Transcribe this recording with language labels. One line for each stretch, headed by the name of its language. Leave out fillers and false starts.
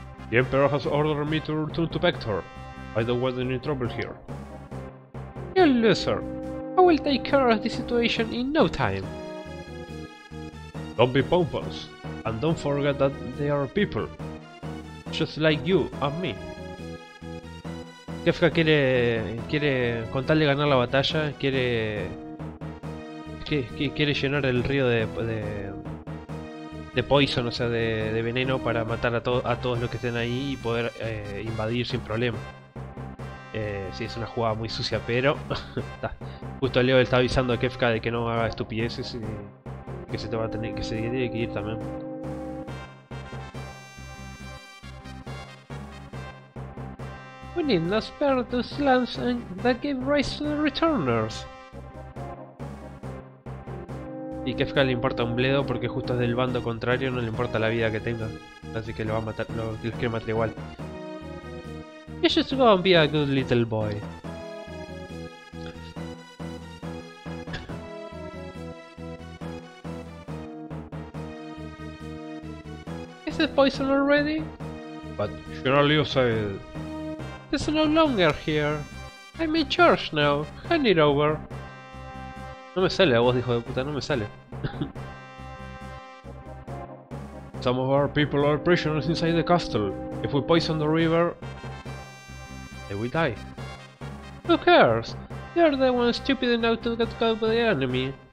English: The Emperor has ordered me to return to Vector. I don't want any trouble here. You loser! I will take care of the situation in no time. Don't be pompous, and don't forget that they are people. Just like you and me.
Spanish: Kefka quiere contarle ganar la batalla, quiere llenar el río de poison, o sea, de veneno para matar a todos los que estén ahí y poder invadir sin problema. Sí, es una jugada muy sucia, pero justo Leo está avisando a Kefka de que no haga estupideces y que se tiene que ir también.
English: We need not spare those lands that gave rise to the Returners.
Spanish: Y Kefka le importa un bledo porque justo es del bando contrario, no le importa la vida que tenga. Así que lo va a matar, los quiere matar igual.
English: You should go and be a good little boy. Is the poison already? But surely you said... It's no longer here. I'm in charge now. Hand it over.
Spanish: No me sale la voz, hijo de puta, no me sale.
English: Some of our people are prisoners inside the castle. If we poison the river, they will die. Who cares? They're the ones stupid enough to get caught by the enemy.